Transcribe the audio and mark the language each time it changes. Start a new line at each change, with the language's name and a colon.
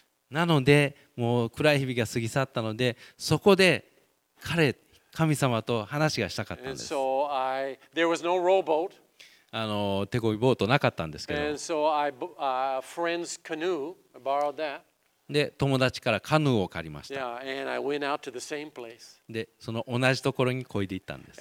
Japanese: なのでもう暗い日々が過ぎ去ったので、そこで彼、神様と話がしたかったんです。手漕ぎボートなかったんですけど、で友達からカヌーを借りました。
English: Yeah, and I went out to the same place.
Japanese: でその同じところに漕いで行ったんです。